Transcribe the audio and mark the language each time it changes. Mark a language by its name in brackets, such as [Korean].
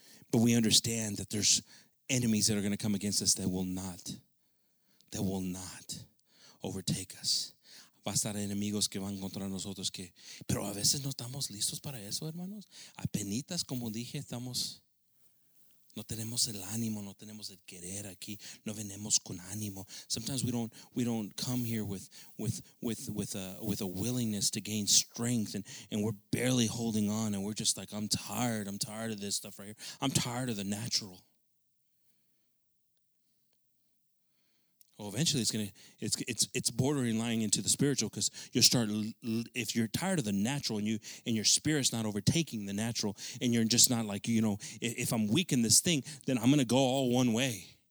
[English] But we understand that there's enemies that are going to come against us that will not overtake us. [Spanish] Va a estar enemigos que van contra nosotros que, pero a veces no estamos listos para eso, hermanos. Apenitas, como dije, estamos, no tenemos el ánimo, no tenemos el querer aquí, no venimos con ánimo. [English] Sometimes we don't come here with a willingness to gain strength, and we're barely holding on, and we're just like, I'm tired of this stuff right here. I'm tired of the natural. Well, eventually it's bordering lying into the spiritual, because you'll start, if you're tired of the natural and your spirit's not overtaking the natural, and you're just not like, you know, if I'm weak in this thing, then I'm going to go all one way.